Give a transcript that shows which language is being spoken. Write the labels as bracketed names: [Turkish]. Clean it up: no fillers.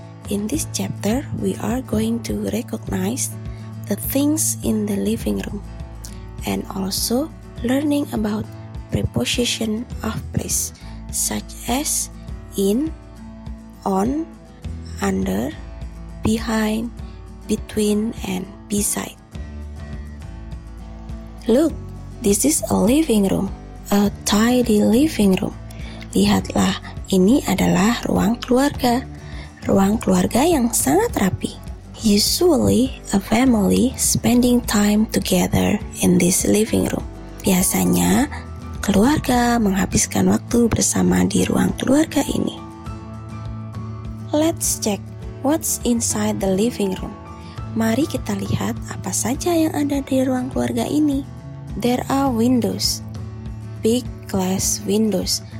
[English] In this chapter, we are going to recognize the things in the living room and also learning about preposition of place, such as in, on, under, behind, between, and beside. Look, this is a living room, a tidy living room. [Indonesian] Lihatlah, ini adalah ruang keluarga yang sangat rapi. [English] Usually, a family spending time together in this living room. [Indonesian] Biasanya, keluarga menghabiskan waktu bersama di ruang keluarga ini. [English] Let's check what's inside the living room. [Indonesian] Mari kita lihat apa saja yang ada di ruang keluarga ini. [English] There are windows, big glass windows.